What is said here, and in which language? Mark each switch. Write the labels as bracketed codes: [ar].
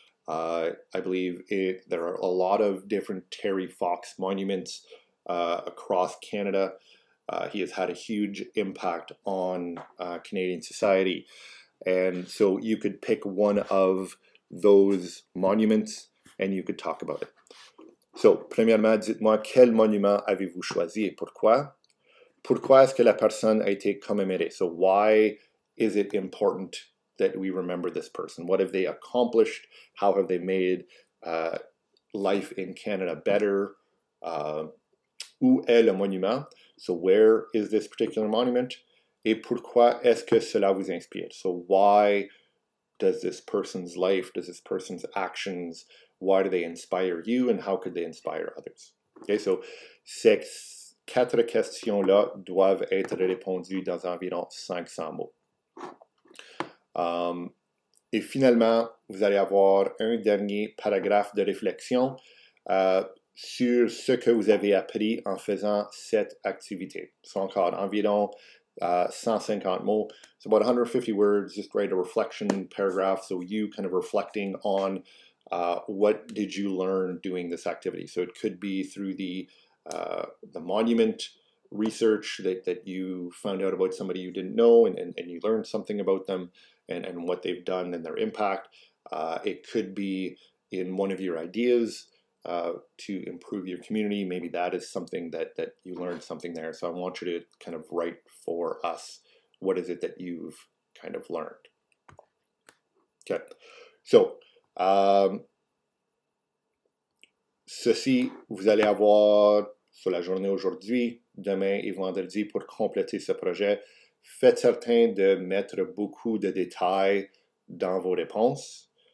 [en] I believe there are a lot of different Terry Fox monuments across Canada. He has had a huge impact on Canadian society. And so you could pick one of those monuments and you could talk about it. [fr] So, premièrement, dites-moi quel monument avez-vous choisi et pourquoi? Pourquoi est-ce que la personne a été commémorée? [en] So, why is it important that we remember this person? What have they accomplished? How have they made life in Canada better? [fr] Où est le monument? [en] So where is this particular monument? [fr] Et pourquoi est-ce que cela vous inspire? [en] So why does this person's life, does this person's actions, why do they inspire you and how could they inspire others? [fr] Okay, so ces quatre questions-là doivent être répondues dans environ 500 mots. Et finalement, vous allez avoir un dernier paragraphe de réflexion. Sur ce que vous avez appris en faisant cette activité. C'est encore environ 150 mots. [en] It's about 150 words, just write a reflection paragraph. So you kind of reflecting on what did you learn doing this activity. So it could be through the monument research that you found out about somebody you didn't know and you learned something about them and what they've done and their impact. It could be in one of your ideas. To improve your community, maybe that is something that you learned something there. So I want you to kind of write for us what is it that you've kind of learned. [fr] Okay, so ceci vous allez avoir sur la journée aujourd'hui, demain et vendredi pour compléter ce projet. Faites certain de mettre beaucoup de détails dans vos réponses.